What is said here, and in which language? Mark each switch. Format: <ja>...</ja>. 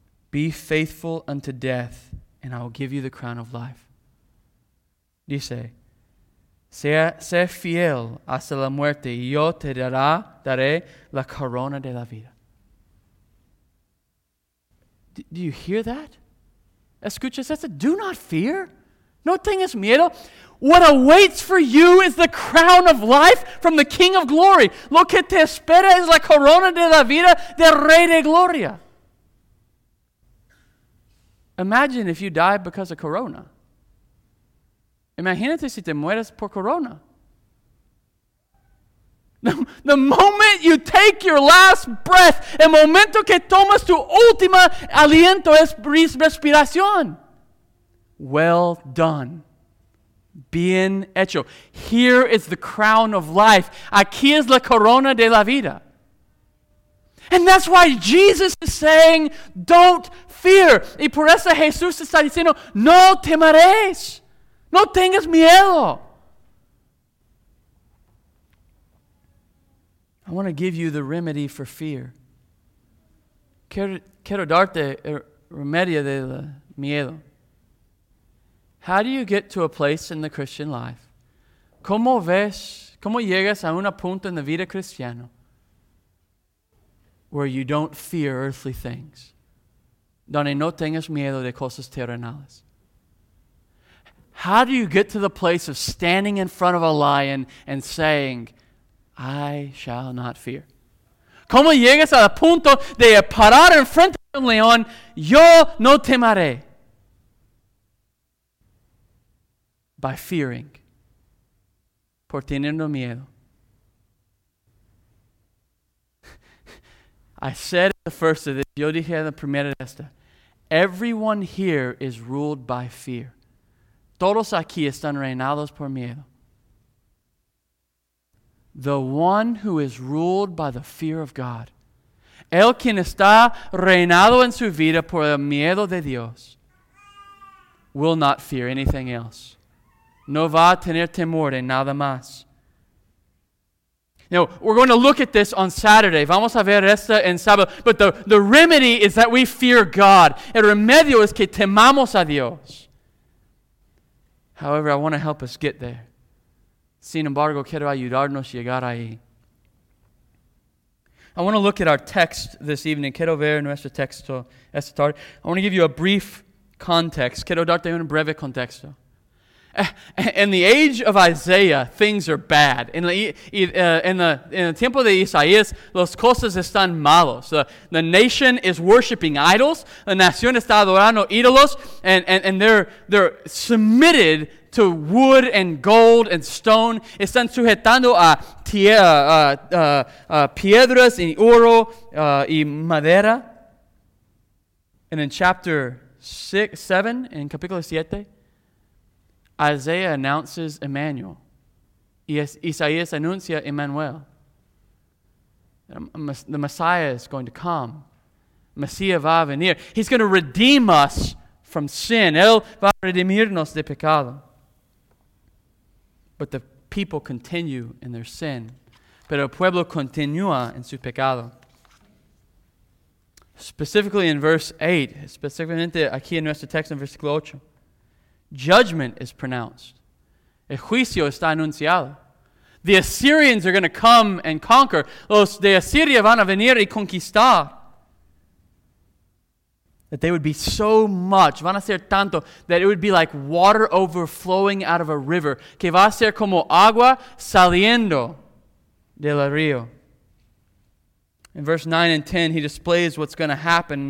<en>Be faithful unto death, and I will give you the crown of life.</en> <es>Dice, sé fiel hasta la muerte, y yo te daré la corona de la vida.</es> <en>Do you hear that?</en> <es>Escuchas eso?</es> <en>Do not fear.</en> <es>No tengas miedo.</es> <en>What awaits for you is the crown of life from the King of Glory.</en> <es>Lo que te espera es la corona de la vida del Rey de Gloria.</es> <en>Imagine if you die because of corona.</en> <es>Imagínate si te mueres por corona.</es> <en>The moment you take your last breath,</en> <es>el momento que tomas tu última aliento es respiración.</es> <en>Well done.</en> <es>Bien hecho.</es> <en>Here is the crown of life.</en> <es>Aquí es la corona de la vida.</es> <en>And that's why Jesus is saying, don't fear.</en> <es>Y por eso Jesús está diciendo, no temeres. No tengas miedo.</es> <en>I want to give you the remedy for fear.</en> <es>Quiero darte el remedio del miedo.</es> <en>How do you get to a place in the Christian life?</en> <es>¿Cómo ves? ¿Cómo llegas a un punto en la vida cristiana</es> <en>where you don't fear earthly things?</en> <es>Donde no tengas miedo de cosas terrenales.</es> <en>How do you get to the place of standing in front of a lion and saying, I shall not fear?</en> <es>¿Cómo llegas al punto de parar en frente de un león? Yo no temeré.</es> <en>By fearing.</en> <es>Por teniendo miedo.</es> <en>I said at the first of this,</en> <es>yo dije en la primera de esta.</es> <en>Everyone here is ruled by fear.</en> <es>Todos aquí están reinados por miedo.</es> <en>The one who is ruled by the fear of God.</en> <es>El quien está reinado en su vida por el miedo de Dios</es> <en>will not fear anything else.</en> <es>No va a tener temor de nada más.</es> <en>Now, we're going to look at this on Saturday.</en> <es>Vamos a ver esto en sábado.</es> <en>But the remedy is that we fear God.</en> <es>El remedio es que temamos a Dios.</es> <en>However, I want to help us get there.</en> <es>Sin embargo, quiero ayudarnos llegar ahí.</es> <en>I want to look at our text this evening.</en> <es>Quiero ver nuestro texto esta tarde.</es> <en>I want to give you a brief context.</en> <es>Quiero darte un breve contexto.</es> <en>In the age of Isaiah, things are bad. In the</en> <es>tiempo de Isaías, las cosas están malos.</es> <en>The nation is worshiping idols.</en> <es>La nación está adorando ídolos,</es> <en>and they're submitted to wood and gold and stone.</en> <es>Están sujetando a piedras y oro y madera.</es> <en>And in chapter 7, in capítulo 7, Isaiah announces Emmanuel.</en> <es>Isaías anuncia Emmanuel.</es> <en>The Messiah is going to come.</en> <es>Messiah va a venir.</es> <en>He's going to redeem us from sin.</en> <es>Él va a redimirnos de pecado.</es> <en>But the people continue in their sin.</en> <es>Pero el pueblo continúa en su pecado.</es> <en>Specifically in verse 8, specifically</en> <es>aquí en nuestro texto, en versículo 8.</es> <en>Judgment is pronounced.</en> <es>El juicio está anunciado.</es> <en>The Assyrians are going to come and conquer.</en> <es>Los de Asiria van a venir y conquistar.</es> <en>That they would be so much,</en> <es>van a ser tanto,</es> <en>that it would be like water overflowing out of a river.</en> <es>Que va a ser como agua saliendo del río.</es> <en>In verse 9 and 10, he displays what's going to happen.</en>